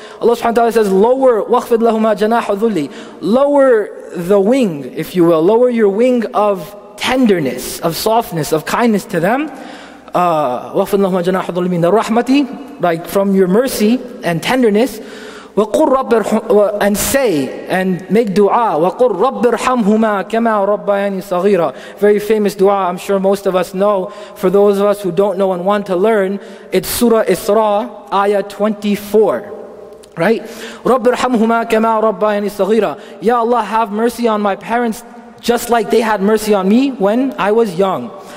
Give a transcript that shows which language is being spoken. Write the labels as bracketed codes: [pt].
[en] Allah subhanahu wa ta'ala says, lower, [ar] وَخْفِضْ لَهُمَا جَنَاحَ الظُّلِّ, [en] lower the wing, if you will, lower your wing of tenderness, of softness, of kindness to them. [ar] وَخْفِضْ لَهُمَا جَنَاحَ الظُّلِّ مِنَ الرَّحْمَةِ, [en] like from your mercy and tenderness. [ar] وَقُلْ رَبِّ ارْحَمْهُمَا, [en] and say and make dua, [ar] وَقُلْ رَبِّ ارْحَمْهُمَا كَمَا رَبَّيَانِي صَغِيرًا. [en] Very famous dua, I'm sure most of us know. For those of us who don't know and want to learn, it's Surah Isra, Ayah 24, right? [ar] رَبِّ ارْحَمْهُمَا كَمَا رَبَّيَانِي صَغِيرًا. [en] Ya Allah, have mercy on my parents just like they had mercy on me when I was young.